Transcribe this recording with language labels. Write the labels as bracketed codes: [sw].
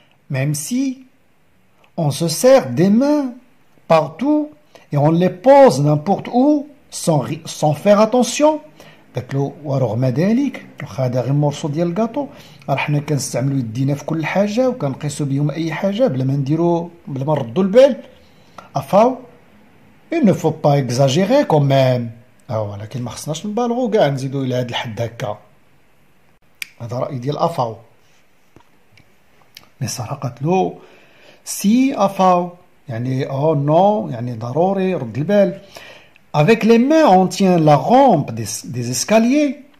[fr] Même si on se sert des mains partout et on les pose n'importe où sans faire attention. [ar] قالت له ورغم ذلك واخا هذا غير مورسو ديال الكاطو راه حنا كنستعملوا يدينا في كل حاجه وكنقيسوا بهم اي حاجه بلا ما نديروا بلا ما نردوا البال. افاو [fr] il ne faut pas exagérer quand même. [ar] ولكن ما خصناش نبالغوا كاع نزيدوا الى هذا الحد هكا. هذا رأي ديال أفاو. مي سارة قالت له سي أفاو، يعني أو نو، يعني ضروري رد البال. [fr] Avec les mains, on tient la rampe des escaliers.